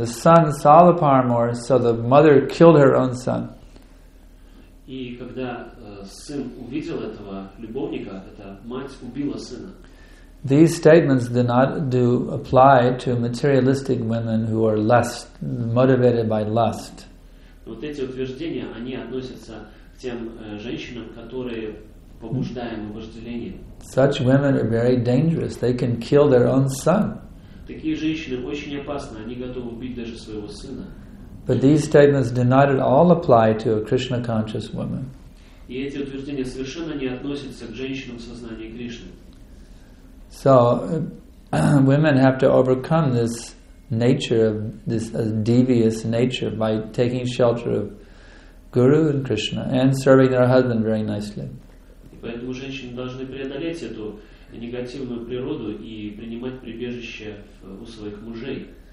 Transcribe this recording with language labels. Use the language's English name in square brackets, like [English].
[English] The son saw the paramour, so the mother killed her own son. [Russian] И когда сын увидел этого любовника, эта мать убила сына. [English] These statements do not do apply to materialistic women who are lust, motivated by lust. [Russian] Вот эти утверждения, они относятся к тем женщинам, которые побуждаемы вожделением. [English] Such women are very dangerous. They can kill their own son. [Russian] Такие женщины очень опасны. Они готовы убить даже своего сына. [English] But these statements do not at all apply to a Krishna-conscious woman. [Russian] И эти утверждения совершенно не относятся к женщинам в сознании Кришны. [English] So, women have to overcome this nature of this devious nature by taking shelter of Guru and Krishna and serving their husband very nicely. [Russian] Поэтому женщины должны преодолеть эту негативную природу и принимать прибежище у своих мужей.